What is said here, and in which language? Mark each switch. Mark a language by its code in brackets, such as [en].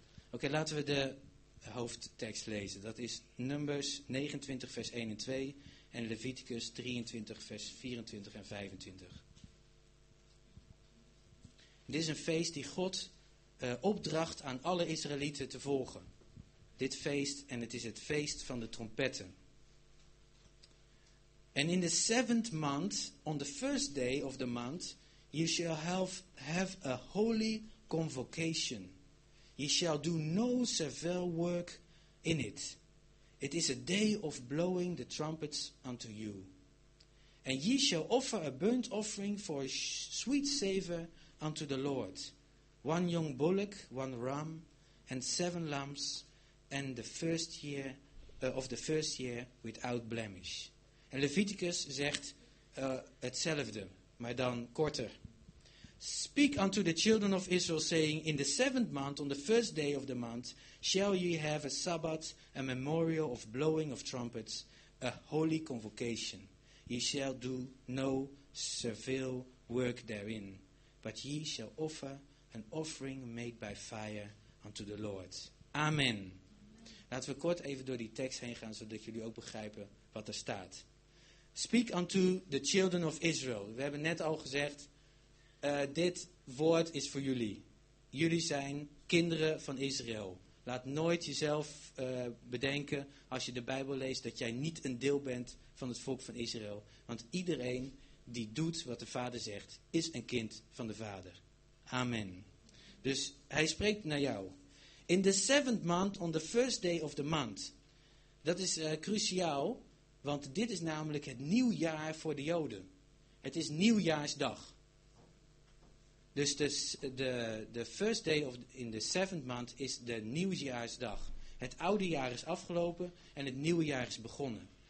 [nl] Oké, laten we de hoofdtekst lezen. Dat is Numbers 29 vers 1 en 2 en Leviticus 23 vers 24 en 25. Dit is een feest die God opdracht aan alle Israëlieten te volgen. Dit feest, en het is het feest van de trompetten. [en] And in the seventh month, on the first day of the month, you shall have a holy convocation. You shall do no servile work in it. It is a day of blowing the trumpets unto you. And ye shall offer a burnt offering for a sweet savour unto the Lord. One young bullock, one ram, and seven lambs, and the first year of the first year without blemish. [nl] En Leviticus zegt hetzelfde, maar dan korter. [en] Speak unto the children of Israel, saying, in the seventh month, on the first day of the month, shall ye have a Sabbath, a memorial of blowing of trumpets, a holy convocation. Ye shall do no servile work therein, but ye shall offer an offering made by fire unto the Lord. Amen. [nl] Laten we kort even door die tekst heen gaan, zodat jullie ook begrijpen wat er staat. [en] Speak unto the children of Israel. [nl] We hebben net al gezegd, dit woord is voor jullie. Jullie zijn kinderen van Israël. Laat nooit jezelf bedenken, als je de Bijbel leest, dat jij niet een deel bent van het volk van Israël. Want iedereen die doet wat de Vader zegt, is een kind van de Vader. Amen. Dus hij spreekt naar jou. [en] In the seventh month, on the first day of the month. [nl] Dat is cruciaal, want dit is namelijk het nieuwjaar voor de Joden. Het is nieuwjaarsdag. Dus de [en] first day of in the seventh month [nl] is de nieuwjaarsdag. Het oude jaar is afgelopen en het nieuwe jaar is begonnen.